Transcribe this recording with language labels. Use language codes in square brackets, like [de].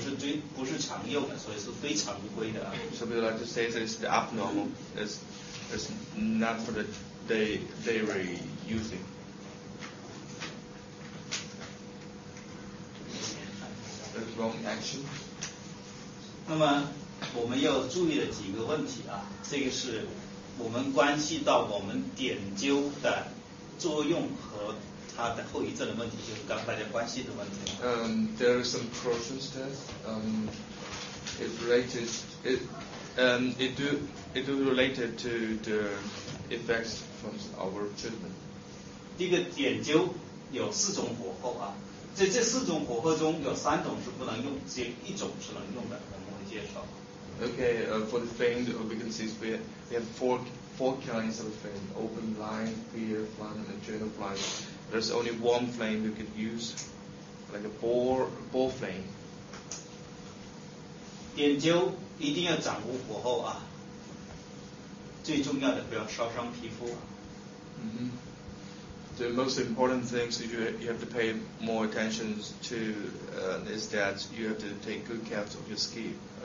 [zh] 也要用，但是不是常用的，所以是非常规的。 [en] So we like to say this is abnormal, it's not for the daily using. The wrong action. [zh] 那么我们要注意的几个问题啊，这个是我们关系到我们点灸的作用和 [en] There are some questions there. It related to the effects from our treatment. [zh] 第一个点灸有四种火候啊，在这四种火候中有三种是不能用，只有一种是能用的，我们介绍。 [en] Okay, for the feng, we can see we have four kinds of feng: open line, clear flame, and general flame. There's only one flame you could use, like a ball flame. [zh] 点灸一定要掌握火候啊，最重要的不要烧伤皮肤。 Mm-hmm. [en] The most important things you have to pay more attention to is that you have to take good care of your skin.